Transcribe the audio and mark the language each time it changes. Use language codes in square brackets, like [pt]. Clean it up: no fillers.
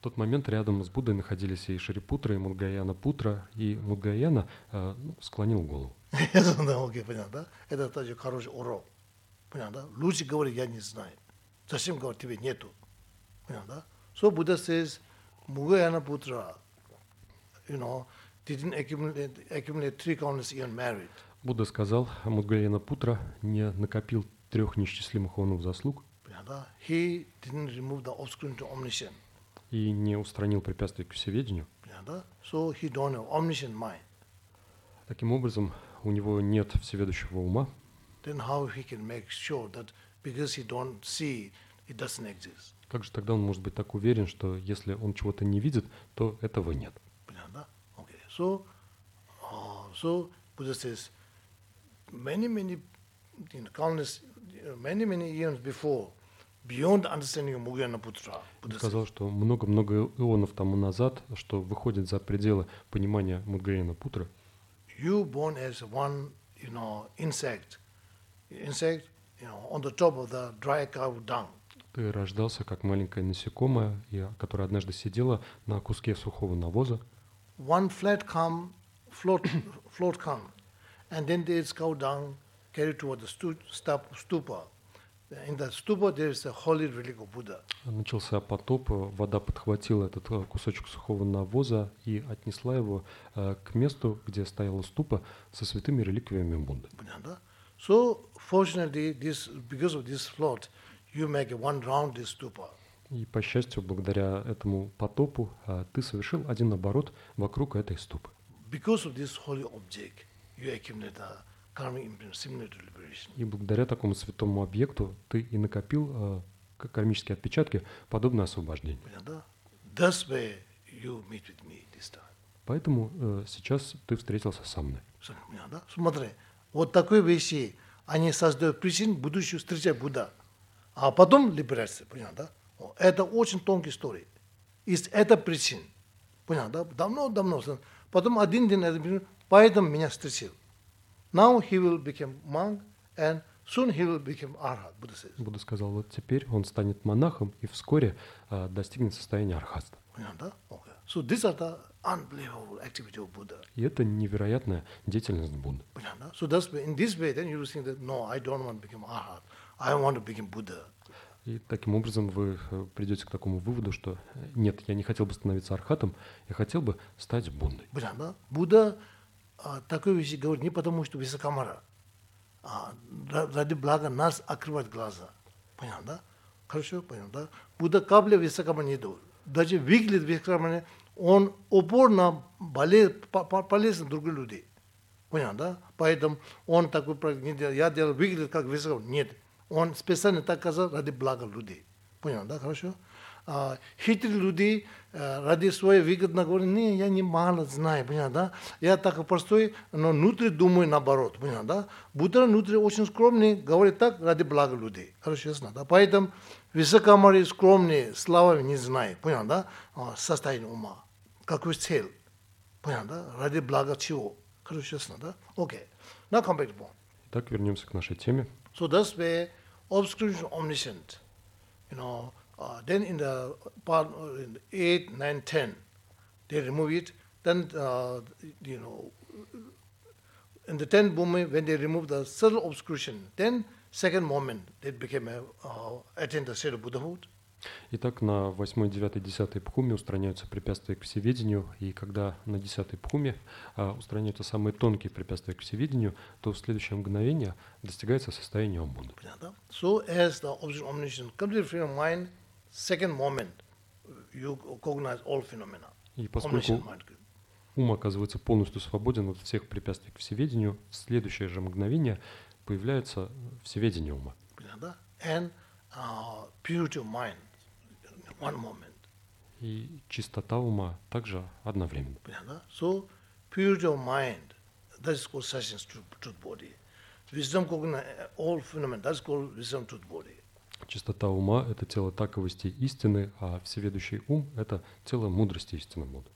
[ru] тот момент рядом с Буддой находились и Шарипутра, и Мудгаяна Путра, и Мудгаяна склонил голову. Окей, понятно, да? Это тоже хороший урок. Понятно, да? Лучше говорить, я не знаю. Зачем говорить, тебе нету. Понятно, да? [en] So Buddha says, Мудгаяна Путра, you know, didn't accumulate three countless eon merit. [ru] Будда сказал, Мудгаяна Путра не накопил трех неисчислимых онов заслуг. [en] He didn't remove the obstacle to omniscience. [ru] И не устранил препятствия к всеведению. [en] So he don't have omniscient mind. [ru] Таким образом, у него нет всеведущего ума. [en] Then how he can make sure that because he don't see, it doesn't exist? [ru] Как же тогда он может быть так уверен, что если он чего-то не видит, то этого нет? [en] So Buddha says, many eons before, beyond understanding of Mahayana Putra. [ru] Он сказал, что много ионов тому назад, что выходит за пределы понимания Мудгаяна Путры. [en] You born as one, you know, insect, you know, on the top of the dry cow dung. [ru] Ты рождался как маленькое насекомое, которое однажды сидело на куске сухого навоза. [en] One float come, and then there is cow dung carried toward the stupa. In the stupa there is a holy relic of Buddha. [ru] Начался потоп, вода подхватила этот кусочек сухого навоза и отнесла его к месту, где стояла ступа со святыми реликвиями Будды. [en] So fortunately, because of this float, you make a one round this stupa. [ru] И, по счастью, благодаря этому потопу, ты совершил один оборот вокруг этой ступы. [en] Because of this holy object, you accumulate a karmic imprint similar to liberation. [ru] И благодаря такому святому объекту ты и накопил кармические отпечатки, подобное освобождение. [en] That's where you meet with me this time. [ru] Поэтому сейчас ты встретился со мной. Смотри, вот такой вещи, они создают причин будущего встречи Будда, а потом либерация, понял, да? Это очень тонкая история. Есть эта причина. Понял, да? Давно-давно. Потом один день этот причин, поэтому меня встретил. [en] Now he will become monk, and soon he will become arhat, Buddha says. [ru] Будда сказал, вот теперь он станет монахом и вскоре достигнет состояния архатства. Понял, да? Okay. [en] So this is the unbelievable activity of Buddha. [ru] И это невероятная деятельность Будды. Понял, да? [en] So that's in this way, then you will think that, no, I don't want to become arhat. I want to become Buddha. [ru] И таким образом вы придете к такому выводу, что нет, я не хотел бы становиться архатом, я хотел бы стать Буддой. Понятно? Будда такой вещи говорит не потому, что высокомара, а ради блага нас открывать глаза. Понятно? Хорошо, понятно, да? Будда капля высокомара не дает. Даже выглядит высокомара, он упорно болеет, полезен другим людям. Понятно, да? Поэтому он такой практик, я делал, выглядит как высоко. Нет, он специально так сказал ради блага людей. Понятно, да, хорошо? Хитрые люди ради своей выгоды говорят, не, я не мало знаю, понятно, да? Я так простой, но внутри думаю наоборот, понятно, да? Будто внутри очень скромный, говорит так ради блага людей. Хорошо, ясно, да? Поэтому высокоморье скромные, славы не знаю, понятно, да? Состояние ума. Какой цель? Понятно, да? Ради блага чего? Хорошо, ясно, да? Окей. [en] Now come back to one. [ru] Так, вернемся к нашей теме. [en] So that's where obscuration omniscient, you know, then in the part in 8, 9, 10, they remove it. Then you know, in the 10th moment when they remove the subtle obscuration, then second moment they became attained the state of Buddhahood. [ru] Итак, на 8, 9, 10 пхуме устраняются препятствия к всеведению, и когда на 10 пхуме устраняются самые тонкие препятствия к всеведению, то в следующее мгновение достигается состояние омбуды. Понятно? [en] So as the object omniscient completely free of mind, second moment you recognize all phenomena. [ru] И поскольку ум оказывается полностью свободен от всех препятствий к всеведению, в следующее же мгновение появляется всеведение ума. Понятно? [en] And purity of mind. One moment. [ru] И чистота ума также одновременно. Понятно? [en] So purity of mind, that is called sentience truth body. Wisdom cognize all phenomena, that is called wisdom truth body. [ru] Чистота ума — это тело таковости истины, а всеведущий ум — это тело мудрости истинного мудрости.